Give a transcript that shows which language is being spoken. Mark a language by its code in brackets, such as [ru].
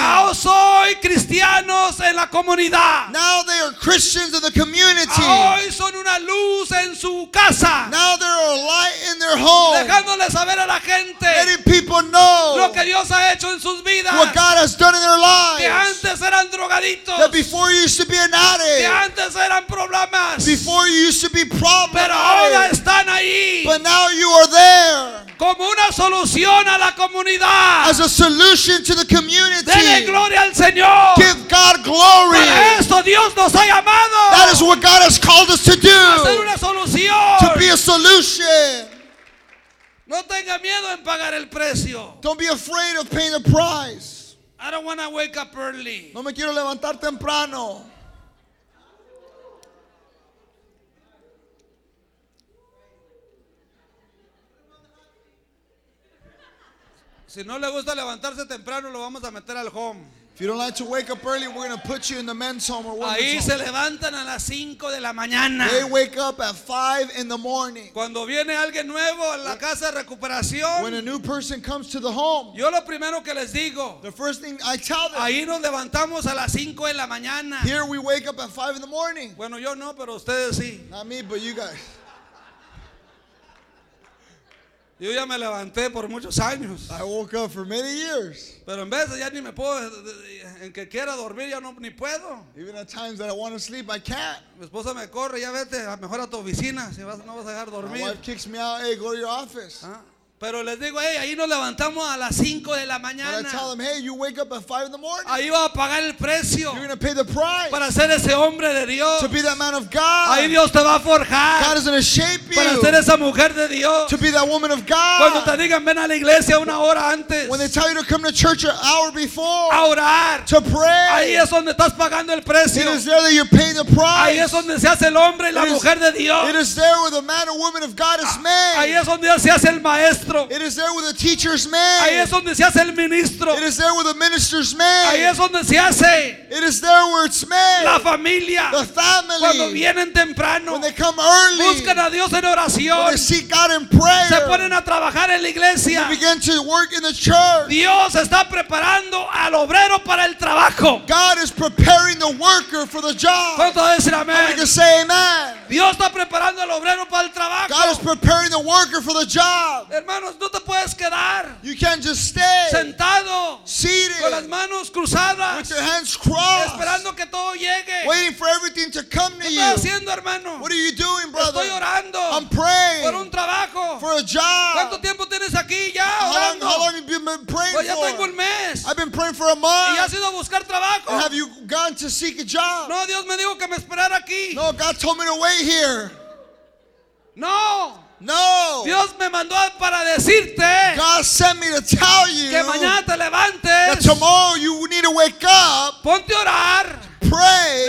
[es] Ahora son cristianos en la comunidad. [en] Now they are Christians in the community. [es] Hoy son una luz en su casa. [en] Now they're a light in their home. [es] Dejándole saber a la gente. [en] Letting people know [es] lo que Dios ha hecho en sus vidas. [en] What God has done in their lives. [es] Que antes eran drogaditos. [en] That before you used to be an addict. [es] Que antes eran problemas. [en] Before you used to be problematic. [es] Pero ahora están ahí. [en] But now you are there. [es] Como una solución a la comunidad. [en] As a solution to the community. [es] Dele gloria al Señor. [en] Give God glory. [es] Para esto Dios nos ha llamado. [en] That is what God has called us to do. [es] Hacer una solución. [en] To be a solution. [es] No tenga miedo en pagar el precio. [en] Don't be afraid of paying the price. I don't want to wake up early. [es] No me quiero levantar temprano. Si no le gusta levantarse temprano, lo vamos a meter al home. [en] If you don't like to wake up early, we're going to put you in the men's home or women's [es] ahí [en] home. [es] Se levantan a las 5 de la mañana. [en] They wake up at 5 in the morning. [es] Cuando viene alguien nuevo a la casa de recuperación, [en] when a new person comes to the home, [es] yo lo primero que les digo, [en] the first thing I tell them, [es] ahí nos levantamos a las 5 de la mañana. [en] Here we wake up at 5 in the morning. [es] Bueno, yo no, pero ustedes sí. [en] Not me, but you guys. [es] Yo ya me levanté por muchos años. [en] I woke up for many years. [es] Pero en veces ya ni me puedo, en que quiera dormir ya no ni puedo. [en] Even at times that I want to sleep, I can't. [es] Mi esposa me corre, ya vete, mejor a tu oficina, si vas, no vas a dejar dormir. [en] My wife kicks me out, hey, go to your office. [es] Pero les digo, hey, ahí nos levantamos a las 5 de la mañana. [en] But I tell them, hey, you wake up at 5 in the morning. [es] Ahí va a pagar el precio. [en] You're going to pay the price. [es] Para ser ese hombre de Dios. [en] To be that man of God. [es] Ahí Dios te va a forjar. [en] God is going to shape you. [es] Para ser esa mujer de Dios. [en] To be that woman of God. [es] Cuando te digan, ven a la iglesia una hora antes. [en] When they tell you to come to church an hour before. [es] A orar. [en] To pray. [es] Ahí es donde estás pagando el precio. [en] It is there that you're paying the price. [es] Ahí es donde se hace el hombre y la mujer de Dios. [en] It is there where the man or woman of God is made. [es] Ahí es donde se hace el maestro. [en] It is there with the teacher's man. [es] Ahí es donde se hace el ministro. [en] It is there with the minister's man. [es] Ahí es donde se hace. [en] It is there where it's made. [es] La familia. [en] The family. [es] Cuando vienen temprano. [en] When they come early. [es] Buscan a Dios en oración. [en] When they seek God in prayer. [es] Se ponen a trabajar en la iglesia. [en] They begin to work in the church. [es] Dios está preparando al obrero para el trabajo. [en] God is preparing the worker for the job. [es] ¿Cuánto dicen amén? [en] I'm going to say amen. [es] Dios está preparando al obrero para el trabajo. [en] God is preparing the worker for the job. [es] Hermanos, no te puedes quedar. [en] You can't just stay. [es] Sentado. [en] Seated. [es] Con las manos cruzadas. [en] With your hands crossed. [es] Esperando que todo llegue. [en] Waiting for everything to come to you. [es] ¿Qué estás haciendo, hermano? [en] What are you doing, brother? [es] Estoy orando. [en] I'm praying. [es] Por un trabajo. [en] For a job. [es] ¿Cuánto tiempo tienes aquí ya [en] orando? How long have you been praying [es] for? Ya tengo un mes. [en] I've been praying for a month. [es] ¿Y has ido a buscar trabajo? [en] And have you gone to seek a job? [es] No, Dios me dijo que me esperara aquí. [en] No, God told me to wait here. [es] No. [en] No. [es] Dios me mandó para decirte. [en] God sent me to tell you. [es] Que mañana te levantes. [en] That tomorrow you need to wake up. [es] Ponte a orar. [en] Pray.